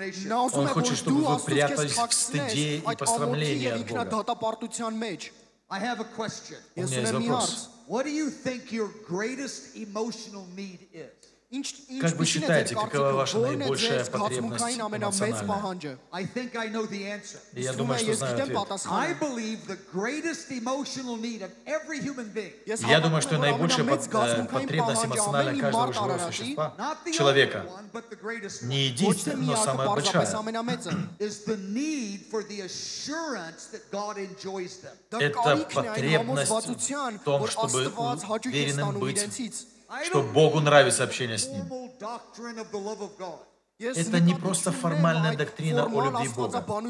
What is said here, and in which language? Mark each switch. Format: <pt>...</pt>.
<ru>Он хочет, чтобы вы прятались в стыде и посрамлении от Бога. У меня есть вопрос.</ru> <en>What do you think your greatest emotional need is?</en> <ru>Как вы считаете, какова ваша наибольшая потребность эмоциональная?</ru> <en>I think I know the answer.</en> <ru>Я думаю, что знаю ответ.</ru> <en>I believe the greatest emotional need of every human being.</en> <ru>Я думаю, что наибольшая потребность эмоциональная каждого живого существа, человека, не единственная, но самая большая,</ru> <en>is the need for the assurance that God enjoys them.</en> <ru>Это потребность в том, чтобы уверенным быть, что Богу нравится общение с Ним. Это не просто формальная доктрина о любви Бога.</ru>